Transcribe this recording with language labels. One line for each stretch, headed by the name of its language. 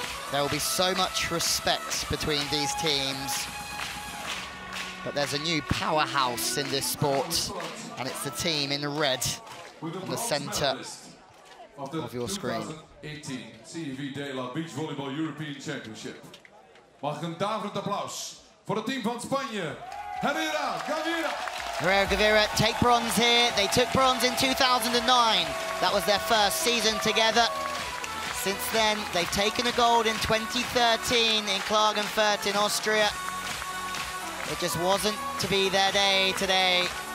English: There will be so much respect between these teams. But there's a new powerhouse in this sport, and it's the team in red in the center of your screen. 2018 CEV De La Beach Volleyball European Championship.
Dutch: Mag ik een daverend applaus voor het team van Spanje. Herrera, Gavira.
English: Herrera Gavira take bronze here. They took bronze in 2009. That was their first season together. Since then, they've taken a gold in 2013 in Klagenfurt in Austria. It just wasn't to be their day today.